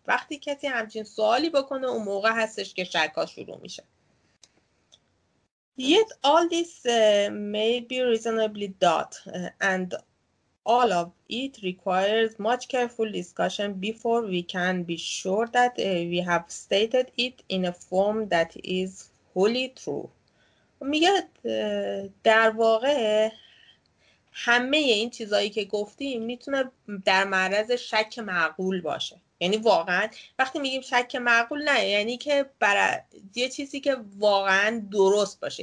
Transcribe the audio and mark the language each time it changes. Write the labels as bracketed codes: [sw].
[fa] وقتی کسی همچین سوالی بکنه اون موقع هستش که شک ها شروع میشه. [en] Yet all this may be reasonably thought and all of it requires much careful discussion before we can be sure that we have stated it in a form that is wholly true. [fa] میگه در واقع همه این چیزایی که گفتیم میتونه در معرض شک معقول باشه. یعنی واقعا وقتی میگیم شک معقول، نه یعنی که برای یه چیزی که واقعا درست باشه.